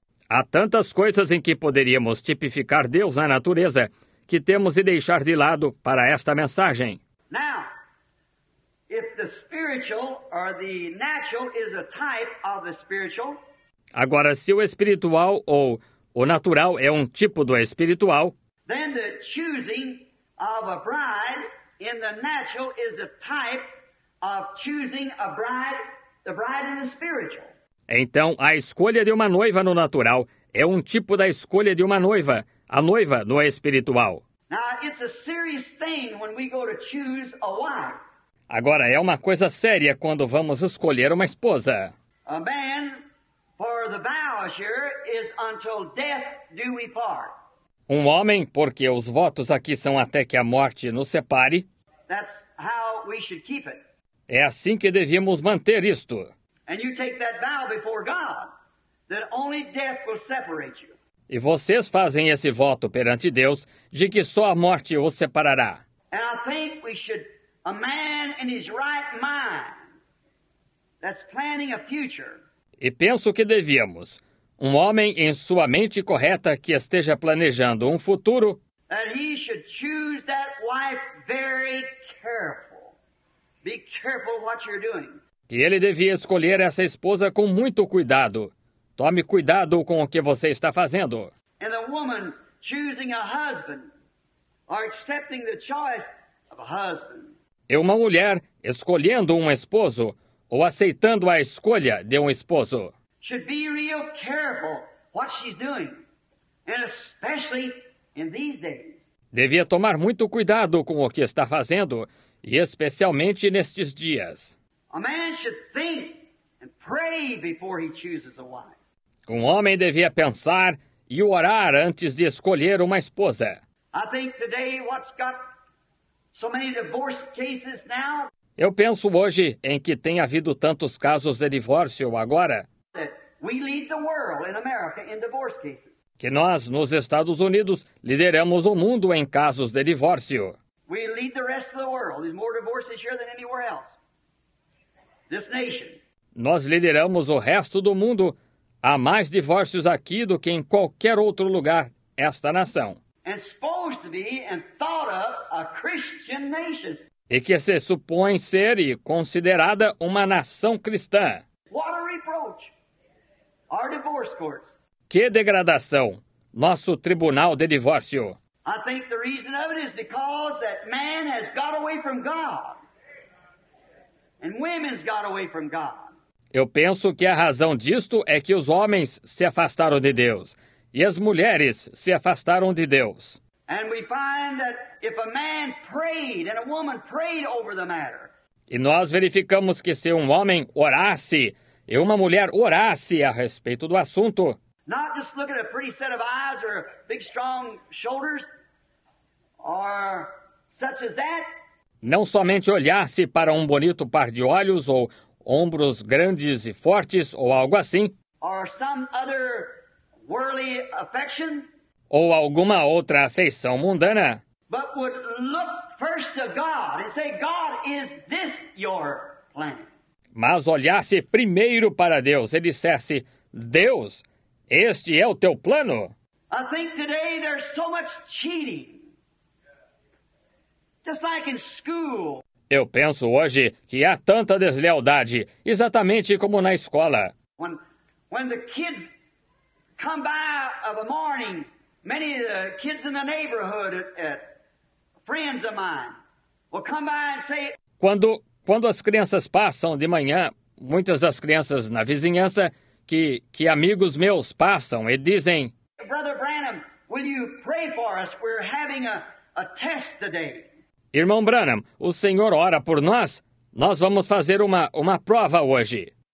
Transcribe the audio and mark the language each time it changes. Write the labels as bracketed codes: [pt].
[pt] Há tantas coisas em que poderíamos tipificar Deus na natureza que temos de deixar de lado para esta mensagem. [en] Now, if the spiritual or the natural is a type of the spiritual, [pt] agora, se o espiritual ou o natural é um tipo do espiritual, [en] then the choosing of a bride in the natural is a type of choosing a bride, the bride in the spiritual. [pt] Então, a escolha de uma noiva no natural é um tipo da escolha de uma noiva, a noiva no espiritual. [en] Now, it's a serious thing when we go to choose a wife. [pt] Agora, é uma coisa séria quando vamos escolher uma esposa. [en] A man for the voucher is until death do we part. [pt] Um homem, porque os votos aqui são até que a morte nos separe. [en] That's how we should keep it. [pt] É assim que devíamos manter isto. [en] And you take that vow before God, that only death will separate you. [pt] E vocês fazem esse voto perante Deus de que só a morte os separará. [en] And I think we should, a man in his right mind, that's planning a future. [pt] E penso que devíamos, um homem em sua mente correta que esteja planejando um futuro, [en] that he should choose that wife very careful. Be careful what you're doing. [pt] Que ele devia escolher essa esposa com muito cuidado. Tome cuidado com o que você está fazendo. [en] And a woman choosing a husband or accepting the choice of a husband. [pt] E uma mulher escolhendo um esposo ou aceitando a escolha de um esposo. [en] Should be real careful what she's doing, and especially in these days. [pt] Devia tomar muito cuidado com o que está fazendo, e especialmente nestes dias. [en] A man should think and pray before he chooses a wife. [pt] Um homem devia pensar e orar antes de escolher uma esposa. [en] I think today what's got so many divorce cases now. [pt] Eu penso hoje em que tem havido tantos casos de divórcio agora. [en] That we lead the world in America in divorce cases. [pt] Que nós, nos Estados Unidos, lideramos o mundo em casos de divórcio. [en] We lead the rest of the world. There's more divorces here than anywhere else. This nation. [pt] Nós lideramos o resto do mundo. Há mais divórcios aqui do que em qualquer outro lugar, esta nação. [en] And supposed to be and thought of a Christian nation. [pt] E que se supõe ser e considerada uma nação cristã. [en] What a reproach. Our divorce courts. [pt] Que degradação! Nosso tribunal de divórcio. [en] I think the reason of it is because that man has got away from God. And women's got away from God. [pt] Eu penso que a razão disto é que os homens se afastaram de Deus e as mulheres se afastaram de Deus. [en] And we find that if a man prayed and a woman prayed over the matter. [pt] E nós verificamos que se um homem orasse e uma mulher orasse a respeito do assunto. [en] Not just look at a pretty set of eyes or big strong shoulders or such as that. [pt] Não somente olhasse para um bonito par de olhos ou ombros grandes e fortes ou algo assim. [en] Or some other worldly affection. [pt] Ou alguma outra afeição mundana. [en] But would look first to God and say, God, is this your plan? [pt] Mas olhasse primeiro para Deus e dissesse, Deus, este é o teu plano? [en] I think today there's so much cheating. Just like in school. [pt] Eu penso hoje que há tanta deslealdade, exatamente como na escola. [en] When the kids come by of a morning, many of the kids in the neighborhood, friends of mine, will come by and say. [pt] Quando as crianças passam de manhã, muitas das crianças na vizinhança que amigos meus passam e dizem. [en] Brother Branham, will you pray for us? We're having a test today. [pt] Irmão Branham, o Senhor ora por nós? Nós vamos fazer uma prova hoje.